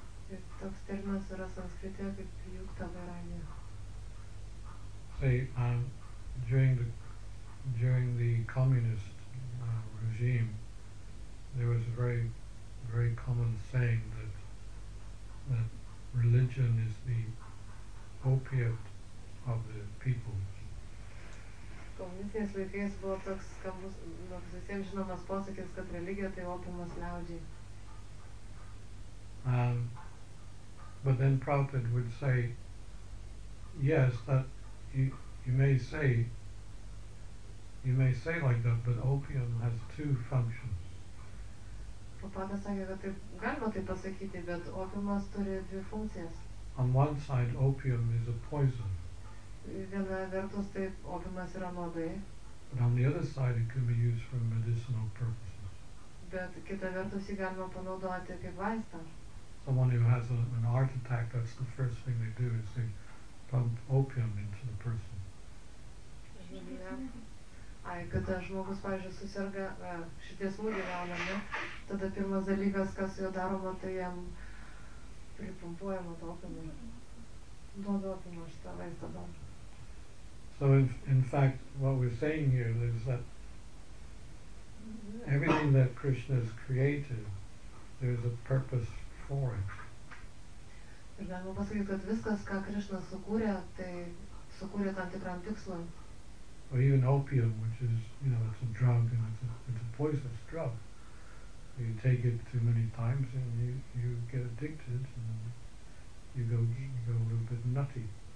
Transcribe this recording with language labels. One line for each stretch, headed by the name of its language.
Lithuanian: Ir toks terminas yra sanskrite kaip yukta vairagya.
English: Say, during the communist regime, there was a very, very common saying that religion is the opiate of the people.
Lithuanian: Komunistiniais laikais buvo toks skambus, toks visiems žinomas posakis, kad religija tai opiumas liaudžiai.
English: But then Prabhupada would say, yes, that you may say like that, but opium has two functions.
Lithuanian: Prabhupada sakė, kad taip galima tai pasakyti, bet opiumas turi dvi funkcijas.
English: On one side, opium is a poison.
Lithuanian: Viena vertus, tai opiumas yra nuodai.
English: But on the other side, it can be used for medicinal purposes.
Lithuanian: Bet kita vertus, jį galima panaudoti kaip vaistą.
English: Someone who has an heart attack, that's the first thing they do, is they pump opium into the person.
Lithuanian: Ai, kada žmogus, pavyzdžiui, susirga širdies smūgį gauna, ne? Tada pirmas dalykas, kas jo daroma, tai jam pripumpuojama dopimą. Duodopimą šitą vaizdą dar.
English: So, in fact, what we're saying here is that everything that Krishna has created, there is a purpose for it.
Lithuanian: Ir galima pasakyti, kad viskas, ką Krishna sukūrė, tai sukūrė tam tikram tikslui.
English: Or even opium, which is, you know, it's a drug and it's a poisonous drug. You take it too many times and you get addicted and you go a little bit nutty.